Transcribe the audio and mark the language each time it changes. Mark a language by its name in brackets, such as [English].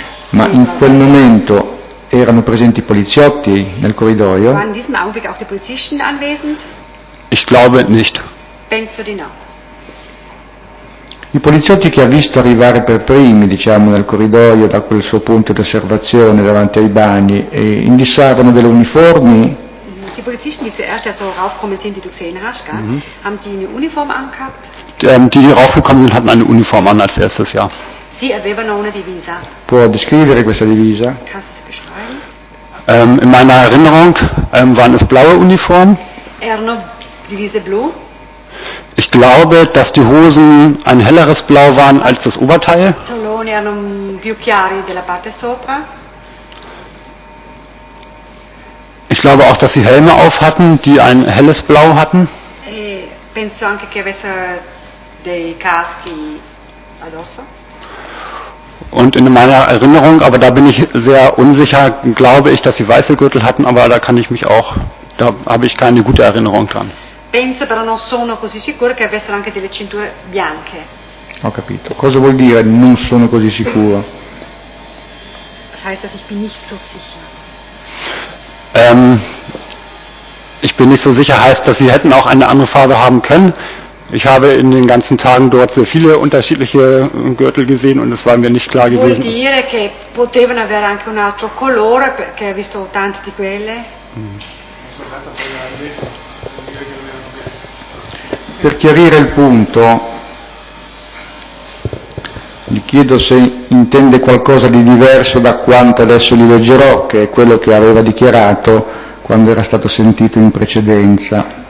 [Italian] Ma in quel momento erano presenti i poliziotti nel corridoio? [German] Waren in diesem Augenblick auch die Polizisten anwesend? Ich glaube nicht. [Italian] Penso di no. I poliziotti che ha visto arrivare per primi, diciamo, nel corridoio da quel suo punto di osservazione davanti ai bagni, e indossavano delle uniformi? [German] Die Polizisten, die zuerst so raufgekommen sind, die du gesehen hast, gell? Haben die eine Uniform angehabt? Die raufgekommen sind, hatten eine Uniform an als erstes, ja. [Italian] Sie avevano una divisa. Può descrivere questa divisa? [German] Kannst du sie beschreiben? In meiner Erinnerung waren es blaue Uniformen. [Italian] Erano divise blu. [German] Ich glaube, dass die Hosen ein helleres Blau waren als das Oberteil. [Italian] I pantaloni erano più chiari della parte sopra. [German] Ich glaube auch, dass sie Helme auf hatten, die ein helles Blau hatten. [Italian] Penso anche che avessero dei caschi addosso. [German] Und in meiner Erinnerung, aber da bin ich sehr unsicher, glaube ich, dass sie weiße Gürtel hatten, aber da kann ich mich auch, da habe ich keine gute Erinnerung dran. [Italian] Penso, però non sono così sicuro che avessero anche delle cinture bianche. Ho capito. Cosa vuol dire non sono così sicuro? [German] Das heißt, dass ich bin nicht so sicher. Ich bin nicht so sicher heißt, dass sie hätten auch eine andere Farbe haben können. Ich habe in den ganzen Tagen dort sehr viele unterschiedliche Gürtel gesehen und es war mir nicht klar gewesen. [Italian] Vuol dire che potevano avere anche un altro colore, perché ho visto tante di quelle. Per chiarire il punto, gli chiedo se intende qualcosa di diverso da quanto adesso gli leggerò, che è quello che aveva dichiarato quando era stato sentito in precedenza.